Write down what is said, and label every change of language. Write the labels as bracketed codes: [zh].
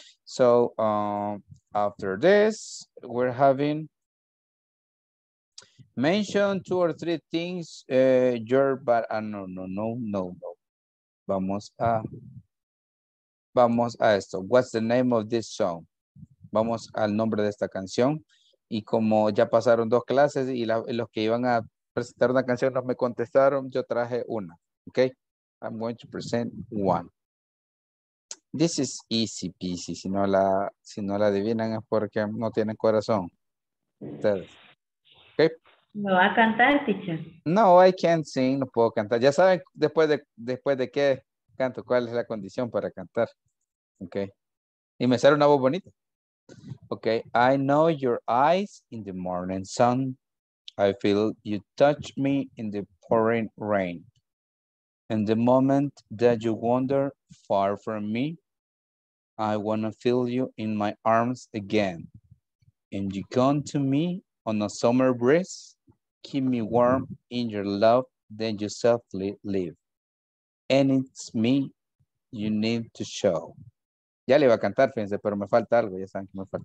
[en] So, after this, we're having mentioned two or three things, [es] Vamos a esto. [en] What's the name of this song? [es] Vamos al nombre de esta canción. Y como ya pasaron dos clases y los que iban a presentar una canción no me contestaron, yo traje una. Okay? [en] I'm going to present one. This is easy peasy. [es] Si no la adivinan es porque no tienen corazón. Ustedes. Okay? ¿Me va a cantar, teacher? [en] No, I can't sing. [es] No puedo cantar. Ya saben después de qué canto, cuál es la condición para cantar. Okay. Y me sale una voz bonita. Okay. [en] I know your eyes in the morning sun. I feel you touch me in the pouring rain. And the moment that you wander far from me, I want to feel you in my arms again. And you come to me on a summer breeze, keep me warm in your love, then you softly leave. And it's me you need to show. [es] Ya le iba a cantar, fíjense, pero me falta algo, ya saben que me falta.